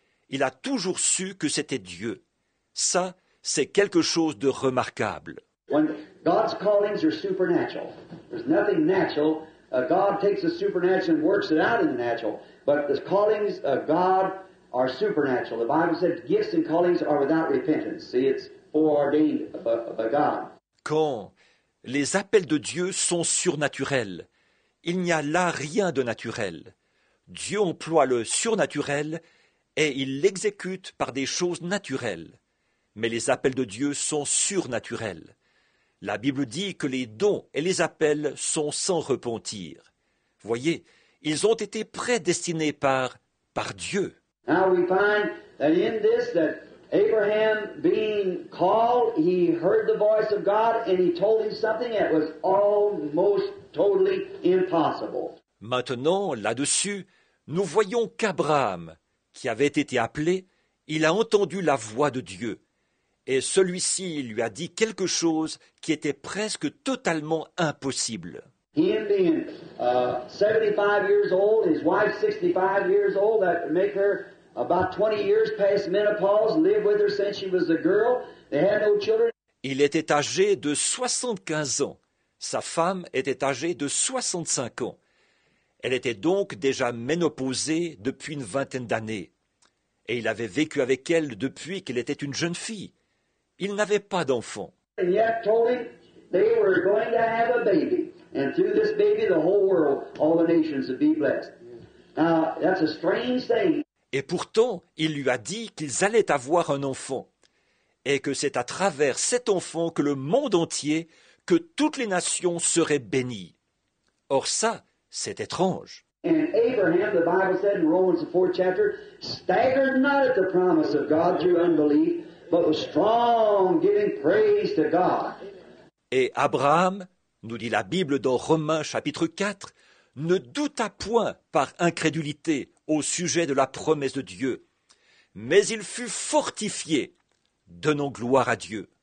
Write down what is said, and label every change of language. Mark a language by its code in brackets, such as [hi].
[fr] Il a toujours su que c'était Dieu. Ça, c'est quelque chose de remarquable. [en] When God's callings are supernatural, there's nothing natural. God takes the supernatural and works it out in the natural. But the callings of God are supernatural. The Bible said gifts and callings are without repentance. See, it's foreordained by God. [fr] Quand les appels de Dieu sont surnaturels, il n'y a là rien de naturel. Dieu emploie le surnaturel et il l'exécute par des choses naturelles. Mais les appels de Dieu sont surnaturels. La Bible dit que les dons et les appels sont sans repentir. Voyez, ils ont été prédestinés par Dieu. [en] Now we find that in this, that Abraham being called, he heard the voice of God and he told him something that was almost totally impossible. [fr] Maintenant, là-dessus, nous voyons qu'Abraham, qui avait été appelé, il a entendu la voix de Dieu. Et celui-ci lui a dit quelque chose qui était presque totalement impossible. [en] Him being 75 years old, his wife 65 years old, that would make her about 20 years past menopause, lived with her since she was a girl. They had no children. [fr] Il était âgé de 75 ans. Sa femme était âgée de 65 ans. Elle était donc déjà ménopausée depuis une vingtaine d'années. Et il avait vécu avec elle depuis qu'elle était une jeune fille. Il n'avait pas d'enfant. [en] And yet told him they were going to have a baby. And through this baby, the whole world, all the nations would be blessed. Now, that's a strange thing. [fr] Et pourtant, il lui a dit qu'ils allaient avoir un enfant, et que c'est à travers cet enfant que le monde entier, que toutes les nations seraient bénies. Or ça, c'est étrange. [en] And Abraham, the Bible said in Romans 4 chapter, staggered not at the promise of God through unbelief, but was strong, giving praise to God. [fr] Et Abraham, nous dit la Bible dans Romains chapitre 4, ne douta point par incrédulité au sujet de la promesse de Dieu, mais il fut fortifié, donnant gloire à Dieu.